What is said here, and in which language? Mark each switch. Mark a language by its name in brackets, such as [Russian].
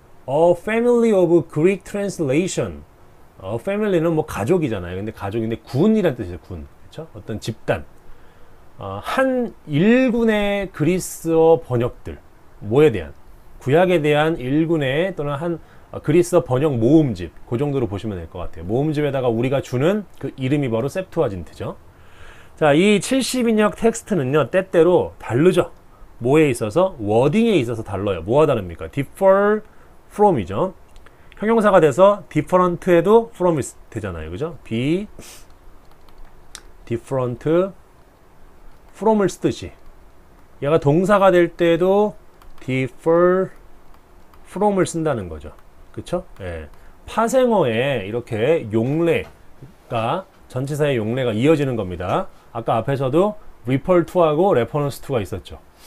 [English] A Family of Greek Translation. [Korean] A Family는 뭐 가족이잖아요. 근데 가족인데 군이란 뜻이죠. 군. 그렇죠? 어떤 집단. 한 일군의 그리스어 번역들. 뭐에 대한? 구약에 대한 일군의 또는 한 그리스어 번역 모음집. 그 정도로 보시면 될것 같아요. 모음집에다가 우리가 주는 그 이름이 바로 세프투아진트죠. 자, 이 70인역 텍스트는요, 때때로 다르죠. 뭐에 있어서? 워딩에 있어서 달라요. 뭐가 다릅니까? differ from이죠. 형용사가 돼서 different에도 from이 되잖아요. 그죠? [English] be different from [Korean] 을 쓰듯이. 얘가 동사가 될 때도 differ from을 쓴다는 거죠. 그쵸? 예. 파생어에 이렇게 용례가, 전치사의 용례가 이어지는 겁니다. 아까 앞에서도 refer to하고 reference to가 있었죠.